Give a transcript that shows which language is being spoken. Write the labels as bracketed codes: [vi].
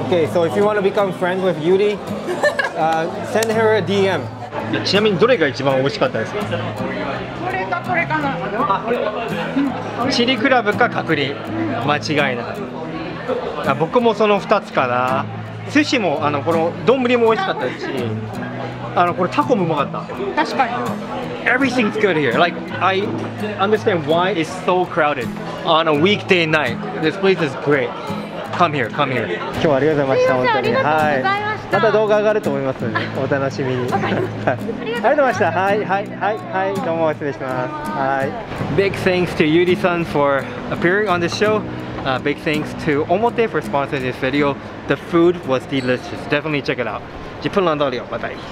[en] OK, so if you want to become friends with Yuri, send her a DM. [ja] ちなみにどれが一番美味しかったですか？これかこれかな。あ、チリクラブか角煮、間違いない。あ、僕もその2つかな。寿司もあのこの丼も美味しかったですし、あのこれタコもうまかった。確かに。 [en] Everything's good here. Like I understand why it's so crowded on a weekday night. This place is great. Come here, come here. [ja] 今日はありがとうございました。本当に。はい。また動画上がると思いますので、お楽しみに。ありがとうございました。はいはいはいはい。どうも失礼します。はい。 [en] Big thanks to Yuri-san for appearing on the show. Big thanks to Omote for sponsoring this video. The food was delicious. Definitely check it out. [ja] 10分の通りをまたい。